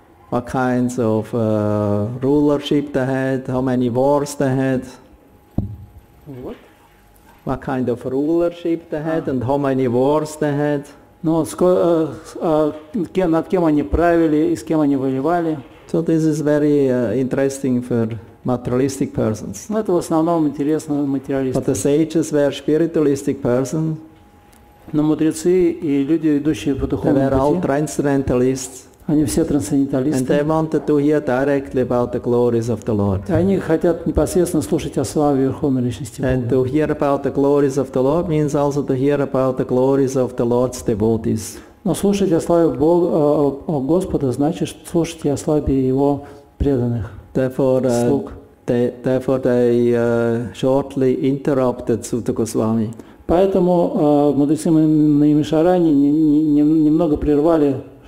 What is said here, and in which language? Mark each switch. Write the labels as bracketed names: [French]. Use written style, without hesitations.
[English] What kinds of rulership they had, how many wars they had. What kind of rulership they had and how many wars they had. [Russian] Но над кем они правили и с кем они воевали? [English] So this is very interesting for materialistic persons. [Russian] Но это в основном интересно материалистам. [English] But the sages were spiritualistic persons. [Russian] Но мудрецы и люди, идущие по духовному пути. [English] They were all transcendentalists. [Russian] Они все трансценденталисты. [English] And they wanted to hear directly about the glories of the Lord. [Russian] Они хотят непосредственно слушать о славе Верховной Личности Бога. [English] And to hear about the glories of the Lord means also to hear about the glories of the Lord's devotees. [Russian] Но слушать о славе Бога, о Господа, значит слушать о славе Его преданных. [English] Therefore, they shortly interrupted Сута Госвами. [Russian] Поэтому мудрецы Наимишарани немного прервали.